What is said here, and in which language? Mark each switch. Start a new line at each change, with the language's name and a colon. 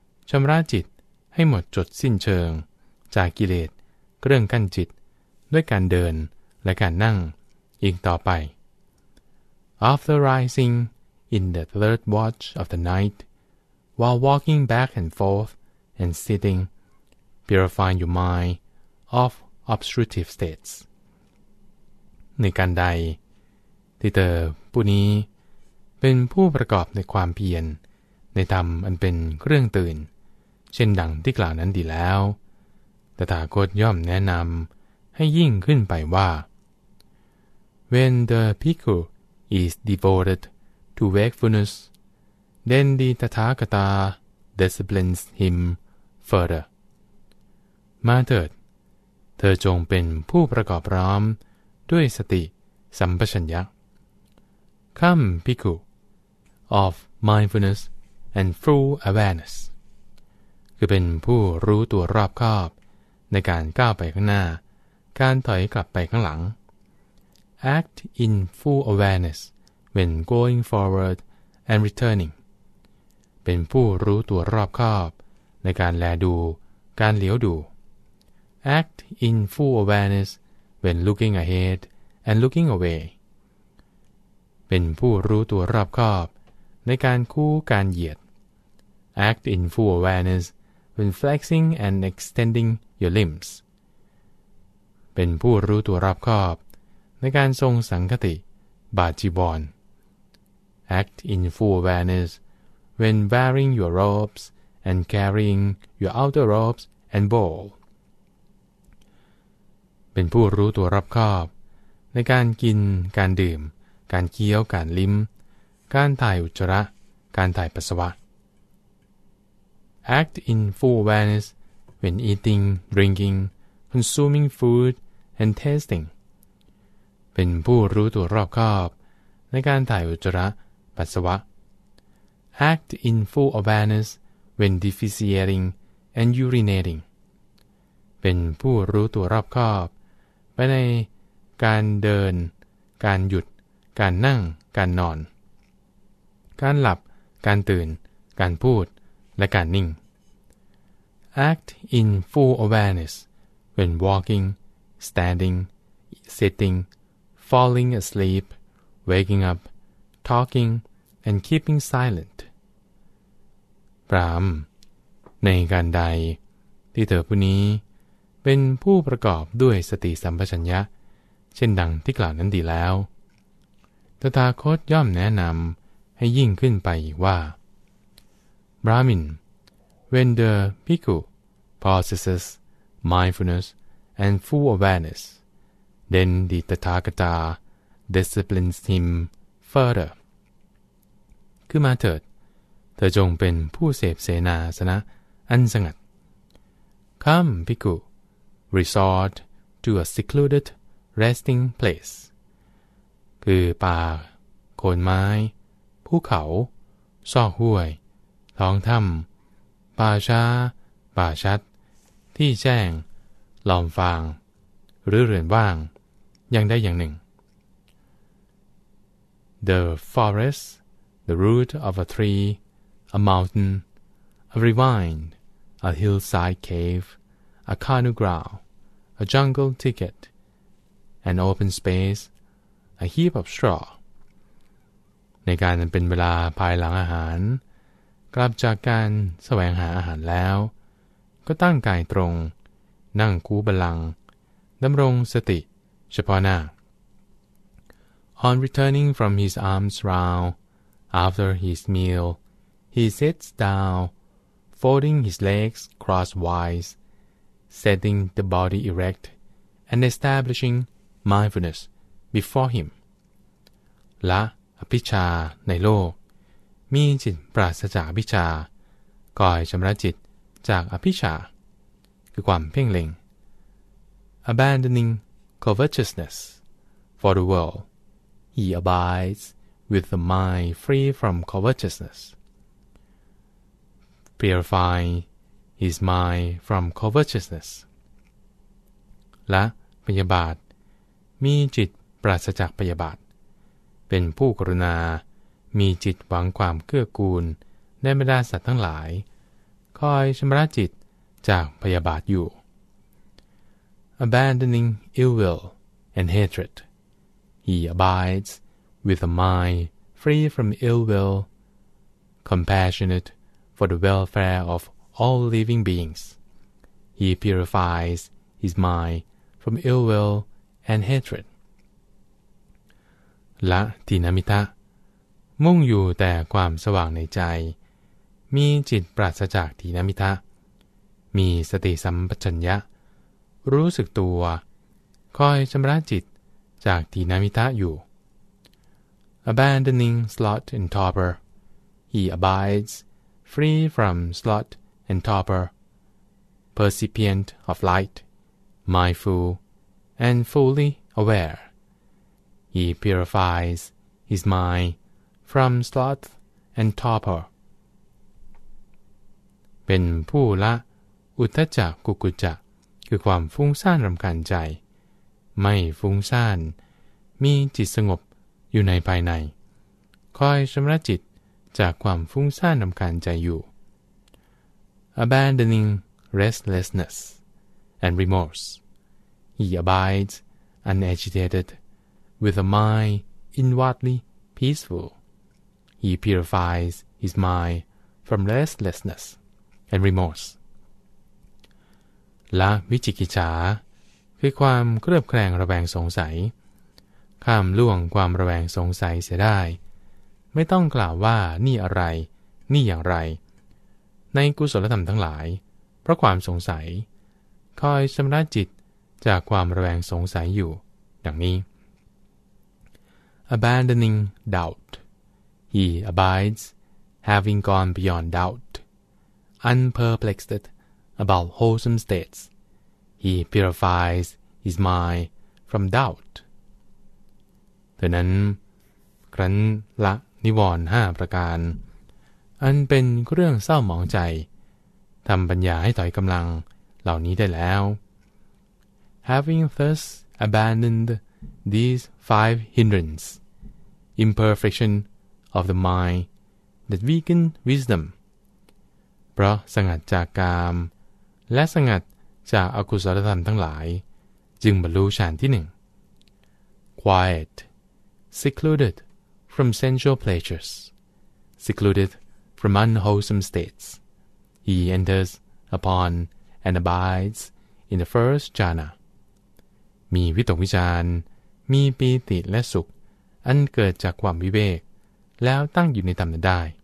Thai: ชำระจิตให้หมดจดสิ้นเชิงจากกิเลสเครื่องกั้นจิตด้วยการเดินและการนั่งอีกต่อไป
English: after rising in the third watch of the night while walking back and forth and sitting purifying your mind of obstructive states
Thai: ในการใด ที่เธอผู้นี้เป็นผู้ประกอบในความเพียรในธรรมอันเป็นเครื่องตื่นเช่นดังที่กล่าวนั้นดีแล้วตถาคตย่อมแนะนำให้ยิ่งขึ้นไปว่า
English: When the bhikkhu is devoted to wakefulness, then the Tathagata disciplines him further.
Thai: มาเถิดเธอจงเป็นผู้ประกอบพร้อมด้วยสติสัมปชัญญะ
English: Come, bhikkhu, of mindfulness and full awareness.
Thai: คือเป็นผู้รู้ตัวรอบคอบในการก้าวไปข้างหน้าการถอยกลับไปข้างหลัง
English: Act in full awareness when going forward and returning.
Thai: เป็นผู้รู้ตัวรอบคอบในการแลดูการเหลียวดู
English: Act in full awareness when looking ahead and looking away.
Thai: เป็นผู้รู้ตัวรอบคอบในการคู่การเหยียด
English: Act in full awareness when flexing and extending your limbs.
Thai: เป็นผู้รู้ตัวรอบคอบในการทรงสังคติบาจีบอน
English: Act in full awareness when wearing your robes and carrying your outer robes and bowl.
Thai: เป็นผู้รู้ตัวรอบคอบในการกินการดื่มการเคี้ยวการลิ้มการถ่ายอุจจาระการถ่ายปัสสาวะ
English: Act in full awareness when eating, drinking, consuming foodand testing
Thai: เป็นผู้รู้ตัวรอบคอบในการถ่ายอุจจาระปัสสาวะ
English: act in full awareness when defecating and urinating
Thai: เป็นผู้รู้ตัวรอบคอบไปในการเดินการหยุดการนั่งการนอนการหลับการตื่นการพูดและการนิ่ง
English: act in full awareness when walkingstanding, sitting, falling asleep, waking up, talking, and keeping silent.
Thai: พรามในการใดที่เธอผู้นี้เป็นผู้ประกอบด้วยสติสัมปชัญญะเช่นดังที่กล่าวนั้นดีแล้วตถาคตย่อมแนะนำให้ยิ่งขึ้นไปว่า
English: Brahmin, when the bhikkhu possesses mindfulnessand full awareness, then the Tathagata disciplines him further.
Thai: คือมาเถิดเธอจงเป็นผู้เสพเสนาสนะอันสงัด
English: Come, bhikkhu, resort to a secluded resting place.
Thai: คือป่าโคนไม้ภูเขาซอกห้วยท้องถ้ำป่าช้าป่าชัดที่แจ้งลอมฟางหรือเรือนว่างยังได้อย่างหนึ่ง
English: The forest, the root of a tree, a mountain, a ravine, a hillside cave, a canoe ground, a jungle thicket, an open space, a heap of straw.
Thai: ในการเป็นเวลาภายหลังอาหารกลับจากการแสวงหาอาหารแล้วก็ตั้งกายตรงนั่งคูบาลังดำรงสติเฉพาะหน้า
English: On returning from his arms round after his meal, he sits down, folding his legs crosswise, setting the body erect, and establishing mindfulness before him.
Thai: ละอภิชฌาในโลกมีจิตปราศจากอภิชฌาก่อยชำระจิตจากอภิชฌาคือความเพ่งเล็ง
English: abandoning covetousness for the world, he abides with the mind free from covetousness, purifying his mind from covetousness.
Thai: และพยาบาทมีจิตปราศจากพยาบาทเป็นผู้กรุณามีจิตหวังความเกื้อกูลในบรรดาสัตว์ทั้งหลายคอยชำระจิตจากพยาบาทอยู่
English: Abandoning ill will and hatred, he abides with a mind free from ill will, compassionate for the welfare of all living beings. He purifies his mind from ill will and hatred.
Thai: ละทินมิทะมุ่งอยู่แต่ความสว่างในใจมีจิตปราศจากทินมิทะมีสติสัมปชัญญะรู้สึกตัวคอยชำระจิตจากทินมิทะอยู่
English: Abandoning sloth and torpor, he abides free from sloth and torpor, percipient of light, mindful and fully aware. He purifies his mind from sloth and torpor.
Thai: เป็นผู้ละอุทธัจจกุกกุจจะคือความฟุ้งซ่านรำคาญใจไม่ฟุ้งซ่านมีจิตสงบอยู่ในภายในคอยชำระจิตจากความฟุ้งซ่านรำคาญใจอยู่
English: Abandoning restlessness and remorse, he abides unagitated with a mind inwardly peaceful. He purifies his mind from restlessnessand remorse.
Thai: ละวิจิกิจฉาคือความเคลือบแคลงระแวงสงสัยข้ามล่วงความระแวงสงสัยเสียได้ไม่ต้องกล่าวว่านี่อะไรนี่อย่างไรในกุศลธรรมทั้งหลายเพราะความสงสัยคอยชำระจิตจากความระแวงสงสัยอยู่ดังนี้
English: Abandoning doubt, he abides having gone beyond doubtUnperplexed about wholesome states, he purifies his mind from doubt.
Thai: ดังนั้นครั้นละนิวรณ์ห้าประการอันเป็นเรื่องเศร้าหมองใจทำปัญญาให้ถอยกำลังเหล่านี้ได้แล้ว
English: Having thus abandoned these five hindrances, imperfection of the mind that weaken wisdom
Thai: เพราะสงัดจากกามและสงัดจากอกุศลธรรมทั้งหลายจึงบรรลุฌานที่หนึ่ง
English: Quiet, secluded from sensual pleasures, secluded from unwholesome states, he enters upon and abides in the first jhana.
Thai: มีวิตกวิจารมีปีติและสุขอันเกิดจากความวิเวกแล้วตั้งอยู่ในธรรมนั้นได้